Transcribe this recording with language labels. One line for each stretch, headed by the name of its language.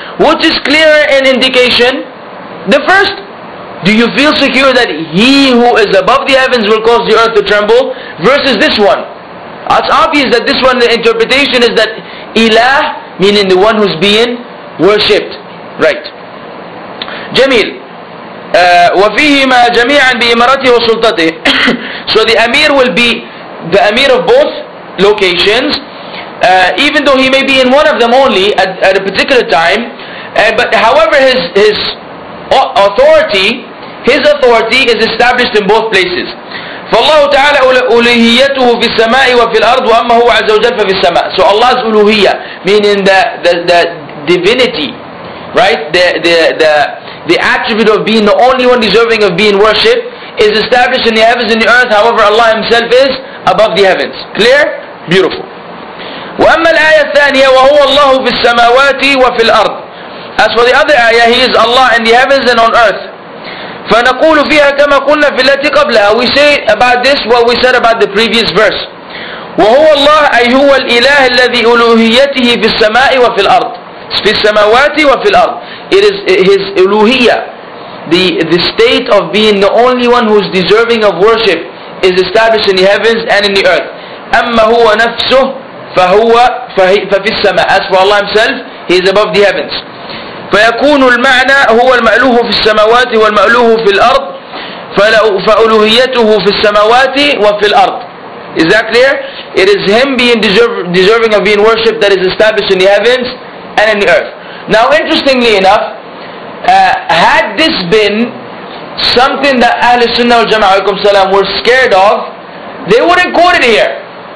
English: Which is clearer in indication? The first, do you feel secure that he who is above the heavens will cause the earth to tremble? Versus this one. It's obvious that this one, the interpretation is that إله, meaning the one who's being worshipped. Right. جميل.
Arabic: وفيهما جميعا بإمارته وسلطته.
English: So the Amir will be the Amir of both locations, even though he may be in one of them only at a particular time. But however, his authority, his authority is established in both places.
Arabic: فالله تعالى أولوهيته في السماء وفي الأرض وأما هو عز وجل ففي السماء.
English: So Allah's uluhiyya, meaning the divinity, right? The attribute of being the only one deserving of being worshipped is established in the heavens and the earth. However, Allah Himself is above the heavens. Clear? Beautiful.
Arabic: وأما الآية الثانية وهو الله في السماوات وفي الأرض.
English: As for the other ayah, He is Allah in the heavens and on earth.
Arabic: فنقول فيها كما قلنا في التي قبلها.
English: We say about this what we said about the previous verse.
Arabic: وهو الله أي هو الإله الذي ألوهيته في السماء وفي الأرض. في السماوات وفي الأرض.
English: It is his uluhiyya, the state of being the only one who is deserving of worship is established in the heavens and in the earth.
Arabic: أما هو نفسه فهو ففي السماء.
English: As for Allah himself, he is above the heavens.
Arabic: فيكون المعنى هو المألوه في السماوات والمألوه في الأرض فألوهيته في السماوات وفي الأرض.
English: Is that clear? It is him being deserving of being worshipped that is established in the heavens and in the earth. Now interestingly enough, had this been something that Ahlul Sunnah wal Jama'ah alaykum salam were scared of, they wouldn't quote it here.